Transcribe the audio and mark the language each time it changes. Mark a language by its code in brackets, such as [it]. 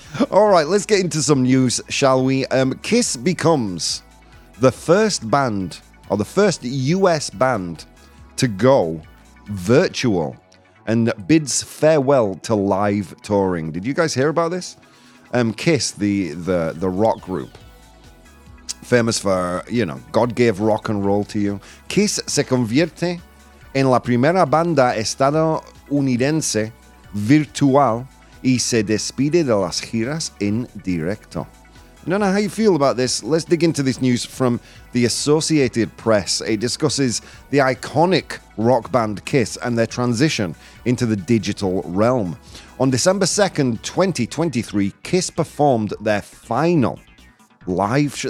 [en] All right, let's get into some news, shall we? Kiss becomes the first US band to go virtual and bids farewell to live touring. Did you guys hear about this? Kiss, the rock group, famous for, you know, God gave rock and roll to you. [es] Kiss se convierte en la primera banda estadounidense virtual y se despide de las giras en directo. [en] I don't know how you feel about this. Let's dig into this news from the Associated Press. It discusses the iconic rock band Kiss and their transition into the digital realm. On December 2nd, 2023, Kiss performed their final live show.